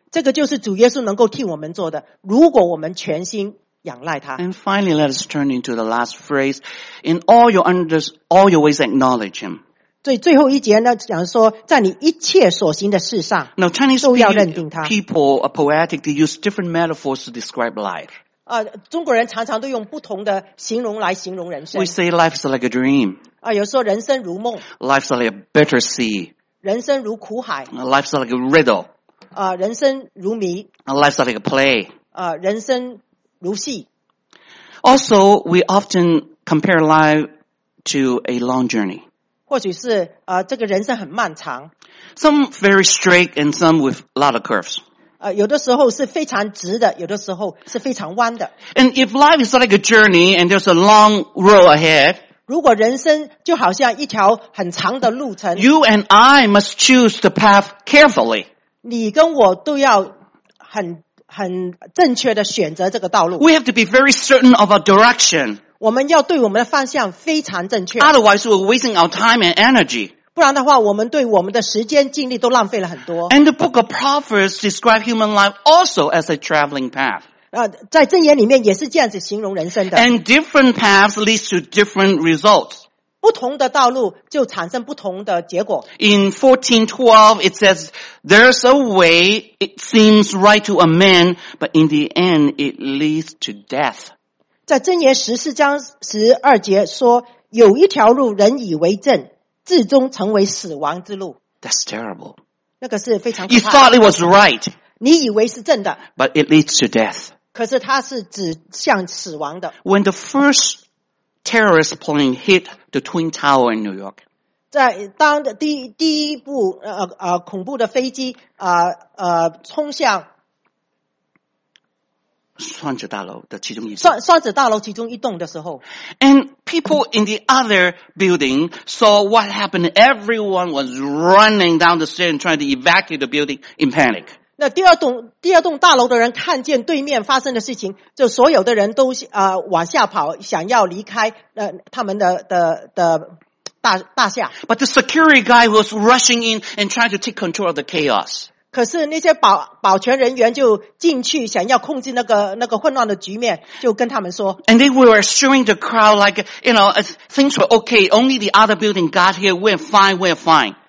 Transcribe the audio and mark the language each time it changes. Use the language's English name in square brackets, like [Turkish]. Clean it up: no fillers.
[Chinese] 这个就是主耶稣能够替我们做的，如果我们全心仰赖他。 [English] And finally, let us turn into the last phrase: In all your ways, acknowledge Him. [Chinese] 所以最后一节呢，讲说在你一切所行的事上 [English] ，Now Chinese [Chinese] 都要认定他。 [English] People are poetic; they use different metaphors to describe life. [Chinese] 中国人常常都用不同的形容来形容人生。 [English] We say life is like a dream. [Chinese] 有时候人生如梦。 [English] Life is like a bitter sea. [Chinese] 人生如苦海。 [English] Life is like a riddle. [Chinese] 人生如谜。 [English] Life is like a play. [Chinese] 人生如戏。 [English] Also, we often compare life to a long journey. [Chinese] 或许是这个人生很漫长。 [English] Some very straight and some with a lot of curves. [Chinese] 有的时候是非常直的，有的时候是非常弯的。 [English] And if life is like a journey and there's a long road ahead, [Chinese] 如果人生就好像一条很长的路程 [English] ，You and I must choose the path carefully. [Chinese] 你跟我都要很正确的选择这个道路。 [English] We have to be very certain of our direction. [Chinese] 我们要对我们的方向非常正确。 [English] Otherwise, we're wasting our time and energy. [Chinese] 不然的话，我们对我们的时间精力都浪费了很多。 [English] And the book of Proverbs describes human life also as a traveling path. [Chinese] 在箴言里面也是这样子形容人生的。 [English] And different paths lead to different results. [Chinese] 不同的道路就产生不同的结果。 [English] In 14:12, it says, "There's a way it seems right to a man, but in the end, it leads to death." [Chinese] 在箴言14:12说，有一条路人以为正。最终成为死亡之路。 [English] That's terrible. [Chinese] 那个是非常可怕。 [English] You thought it was right. [Chinese] 你以为是正的。 [English] But it leads to death. [Chinese] 可是它是指向死亡的。 [English] When the first terrorist plane hit the Twin Tower in New York. [Chinese] 在当第一部恐怖的飞机冲向双子大楼其中一栋的时候。 [English] And people in the other building saw what happened. Everyone was running down the street and trying to evacuate the building in panic. [Chinese] 那第二栋大楼的人看见对面发生的事情，就所有的人都往下跑，想要离开他们的大厦。 [English] But the security guy was rushing in and trying to take control of the chaos. [Chinese] 可是那些保全人员就进去想要控制那个混乱的局面，就跟他们说。 [English] And they were assuring the crowd like, you know, things were okay, only the other building got here, we're fine.